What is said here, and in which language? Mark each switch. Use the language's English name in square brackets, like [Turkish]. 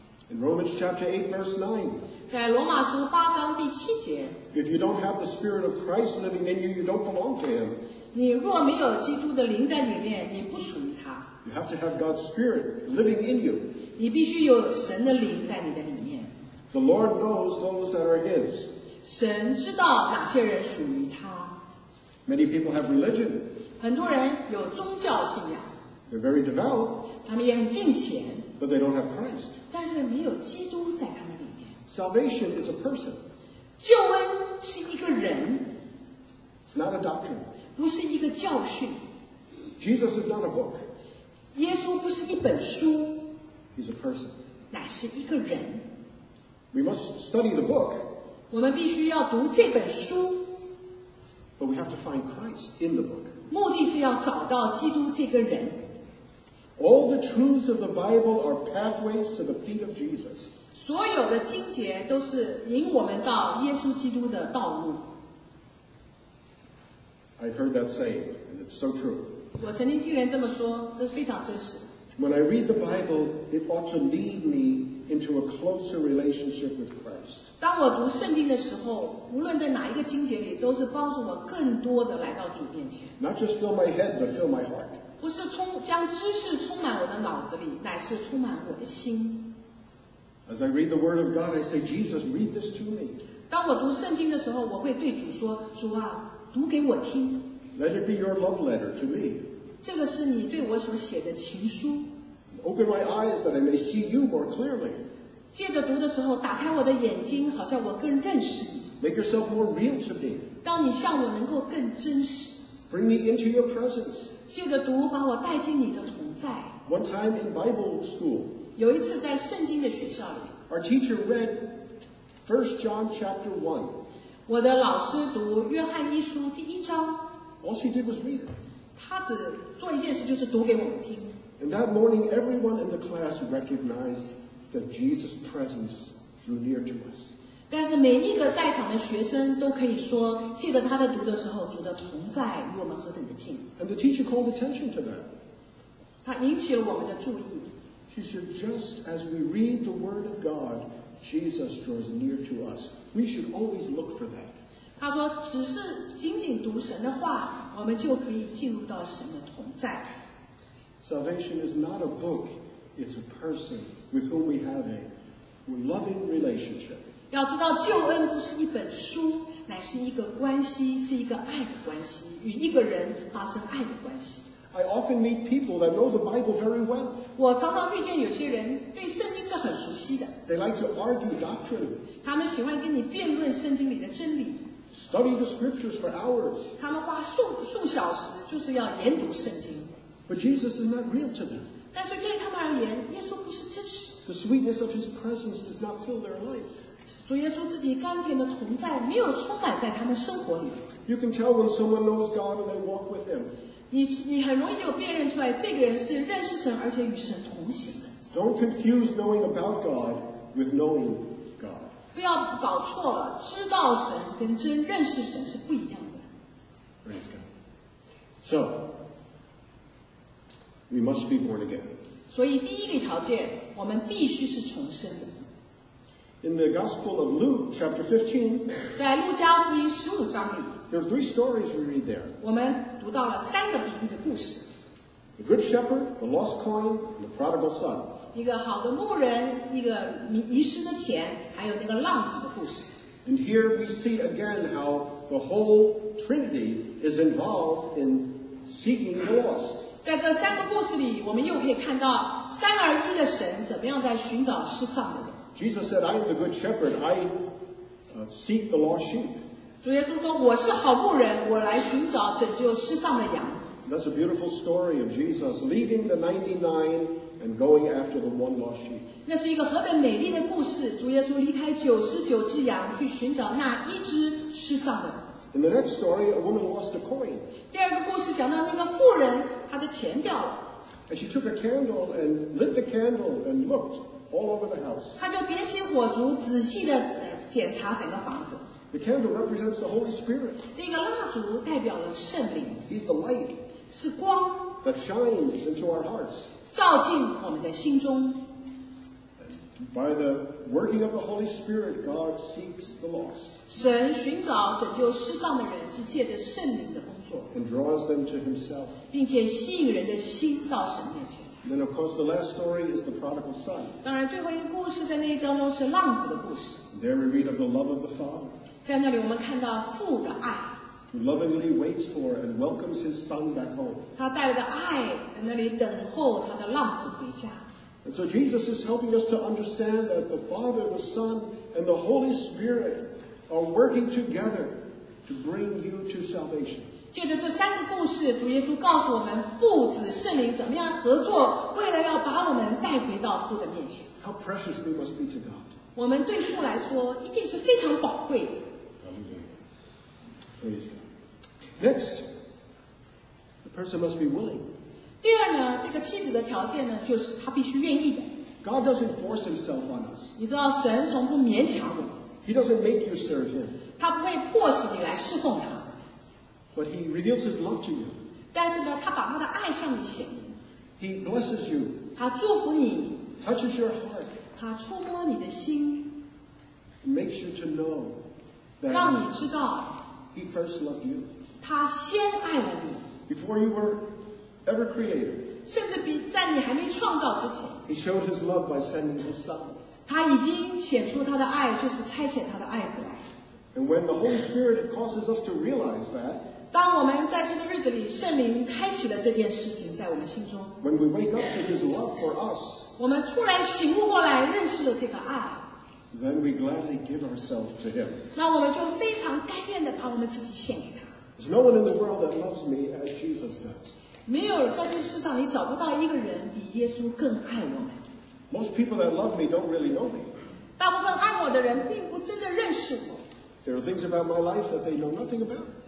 [English] In Romans chapter 8, verse 9, [Chinese] 在罗马书八章第七节 [English] if you don't have the spirit of Christ living in you, you don't belong to him. [Chinese] 你若没有基督的灵在里面，你不属于他。 [English] You have to have God's spirit living in you. [Chinese] 你必须有神的灵在你的里面。 [English] The Lord knows those that are his. [Chinese] 神知道哪些人属于他。 [English] Many people have religion. [Chinese] 很多人有宗教信仰。 [English] They're very devout. [Chinese] 他们也很敬虔。 [English] But they don't have Christ. [Chinese] 但是没有基督在他们里面。 [English] Salvation is a person. [Chinese] 救恩是一个人。 [English] It's not a doctrine. [Chinese] 不是一个教训。 [English] Jesus is not a book. [Chinese] 耶稣不是一本书。 [English] He's a person. [Chinese] 乃是一个人。 [English] We must study the book. [Chinese] 我们必须要读这本书。 [English] But we have to find Christ in the book. [Chinese] 目的是要找到基督这个人。 [English] All the truths of the Bible are pathways to the feet of Jesus. [Chinese] 所有的经节都是引我们到耶稣基督的道路。 [English] I've heard that saying, and it's so true. [Chinese] 我曾经听人这么说，这是非常真实。 [English] When I read the Bible, it ought to lead me into a closer relationship with Christ. [Chinese] 当我读圣经的时候，无论在哪一个经节里，都是帮助我更多的来到主面前。 [English] Not just fill my head, but fill my heart. [Chinese] 不是将知识充满我的脑子里，乃是充满我的心。 [English] As I read the Word of God, I say, Jesus, read this to me. [Chinese] 当我读圣经的时候，我会对主说，主啊，读给我听。 [English] Let it be your love letter to me. [Chinese] 这个是你对我所写的情书。 [English] Open my eyes that I may see you more clearly. [Chinese] 借着读的时候，打开我的眼睛，好像我更认识你。 [English] Make yourself more real to me. [Chinese] 让你向我能够更真实。 [English] Bring me into your presence. [Chinese] 借着读，把我带进你的同在。 [English] One time in Bible school. [Chinese] 有一次在圣经的学校里。 [English] Our teacher read 1 John chapter 1. [Chinese] 我的老师读约翰一书第一章。 [English] All she did was read it. [Chinese] 他只做一件事，就是读给我们听。 [English] And that morning, everyone in the class recognized that Jesus' presence drew near to us. [Chinese] 但是每一个在场的学生都可以说，借着他的读的时候，主的同在与我们何等的近。 [English] And the teacher called attention to that. [Chinese] 他引起了我们的注意。 [English] She said, just as we read the Word of God, Jesus draws near to us. We should always look for that. [Chinese] 他说只是仅仅读神的话我们就可以进入到神的同在。 [English] Salvation is not a book, it's a person with whom we have a loving relationship. [Chinese] 要知道救恩不是一本书乃是一个关系是一个爱的关系与一个人发生爱的关系。 [English] I often meet people that know the Bible very well. [Chinese] 我常常遇见有些人对圣经是很熟悉的。 [English] They like to argue doctrine. [Chinese] 他们喜欢跟你辩论圣经里的真理。 [English] Study the scriptures for hours. [Chinese] 他们花数小时就是要研读圣经。 [English] But Jesus is not real to them. [Chinese] 但是对他们而言，耶稣不是真实。 [English] The sweetness of his presence does not fill their life. [Chinese] 主耶稣自己甘甜的同在没有充满在他们生活里。 [English] You can tell when someone knows God and they walk with him. [Chinese] 你很容易就辨认出来这个人是认识神而且与神同行的。 [English] Don't confuse knowing about God with knowing God. [Chinese] 不要搞错了，知道神跟真认识神是不一样的。 [English] Praise God. So, we must be born again. [Chinese] 所以第一个条件，我们必须是重生的。 [English] In the Gospel of Luke, chapter 15, [Chinese] 在路加福音十五章里, [English] there are three stories we read there. [Chinese] 我们读到了三个比喻的故事。 [English] The good shepherd, the lost coin, and the prodigal son. [Chinese] 一个好的牧人，一个遗失的钱，还有那个浪子的故事。 [English] And here we see again how the whole Trinity is involved in seeking the lost. [Chinese] 在这三个故事里，我们又可以看到三而一的神怎么样在寻找失丧的。 [English] Jesus said, I am the good shepherd, I seek the lost sheep. [Chinese] 主耶稣说，我是好牧人，我来寻找拯救失丧的羊。 [English] That's a beautiful story of Jesus leaving the 99 and going after the one lost sheep. [Chinese] 那是一个何等美丽的故事，主耶稣离开99只羊去寻找那一只失丧的。 [English] In the next story, a woman lost a coin. [Chinese] 第二个故事讲到那个妇人，她的钱掉了。 [English] And she took a candle and lit the candle and looked all over the house. [Chinese] 她就点起火烛，仔细地检查整个房子。 [English] The candle represents the Holy Spirit. [Chinese] 那个蜡烛代表了圣灵。 [English] He's the light. [Chinese] 是光。 [English] That shines into our hearts. [Chinese] 照进我们的心中。 [English] By the working of the Holy Spirit, God seeks the lost. [Chinese] 神寻找拯救失丧的人是借着圣灵的工作。 [English] And draws them to himself. [Chinese] 并且吸引人的心到神面前。 [English] Then of course the last story is the prodigal son. [Chinese] 当然最后一个故事在那一章中是浪子的故事。 [English] There we read of the love of the father. [Chinese] 在那里我们看到父的爱。 [English] Who lovingly waits for and welcomes his son back home. [Chinese] 他带着的爱在那里等候他的浪子回家。 [English] And so Jesus is helping us to understand that the Father, the Son, and the Holy Spirit are working together to bring you to salvation. [Chinese] 借着这三个故事，主耶稣告诉我们父子圣灵怎么样合作，为了要把我们带回到父的面前。 [English] How precious we must be to God. [Chinese] 我们对父来说一定是非常宝贵。 [English] Praise God. Next, the person must be willing. [Chinese] 第二呢，这个妻子的条件呢，就是她必须愿意的。 [English] God doesn't force himself on us. [Chinese] 你知道神从不勉强我们。 [English] He doesn't make you serve him. [Chinese] 他不会迫使你来侍奉他。 [English] But he reveals his love to you. [Chinese] 但是呢，他把他的爱向你显明。 [English] He blesses you. [Chinese] 他祝福你。 [English] Touches your heart. [Chinese] 他触摸你的心。 [English] Makes you to know. [Chinese] 让你知道。 [English] He first loved you. [Chinese] 他先爱了你。 [English] Before you were. Ever created. [Chinese] 甚至比在你还没创造之前 [English] He showed his love by sending his son. [Chinese] 他已经显出他的爱，就是差遣他的爱子来。 [English] And when the Holy Spirit causes us to realize that, [Chinese] 当我们在这个日子里，圣灵开启了这件事情在我们心中。 [English] When we wake up to his love for us, [Chinese] 我们突然醒悟过来，认识了这个爱。 [English] Then we gladly give ourselves to him. [Chinese] 那我们就非常甘愿地把我们自己献给他。 [English] There's no one in the world that loves me as Jesus does. [Chinese] 没有在这世上，你找不到一个人比耶稣更爱我们。 [English] Most people that love me don't really know me. [Chinese] 大部分爱我的人并不真的认识我。 [English] There are things about my life that they know nothing about.